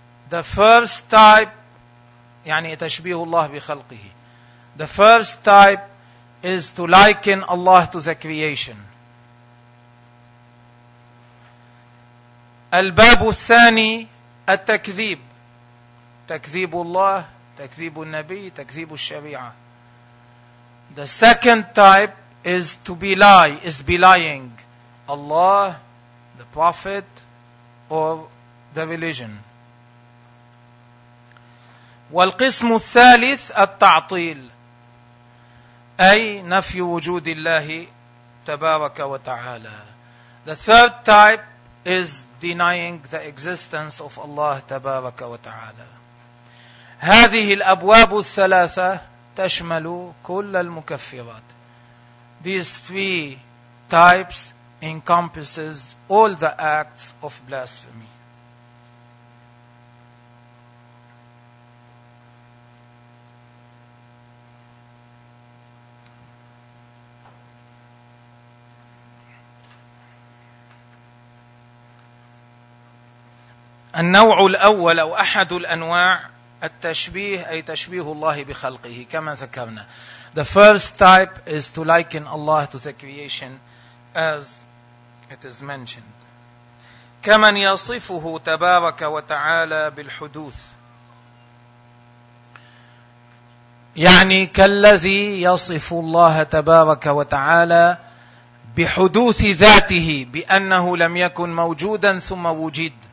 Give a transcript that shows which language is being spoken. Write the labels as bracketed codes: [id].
[en] The first type, [ar] يعني تشبيه الله بخلقه. [en] The first type is to liken Allah to the creation. [ar] الباب الثاني التكذيب. تكذيب الله, تكذيب النبي, تكذيب الشريعة. [en] The second type is to belie, is belying Allah, the Prophet, or the religion. [ar] والقسم الثالث التعطيل, أي نفي وجود الله تبارك وتعالى. [en] The third type is denying the existence of Allah [ar] تبارك وتعالى. هذه الأبواب الثلاثة تشمل كل المكفرات. [en] These three types encompasses all the acts of blasphemy. [ar] النوع الأول أو أحد الأنواع التشبيه, أي تشبيه الله بخلقه كما ذكرنا. [en] The first type is to liken Allah to the creation as it is mentioned. [ar] كمن يصفه تبارك وتعالى بالحدوث, يعني كالذي يصف الله تبارك وتعالى بحدوث ذاته بأنه لم يكن موجودا ثم وجد,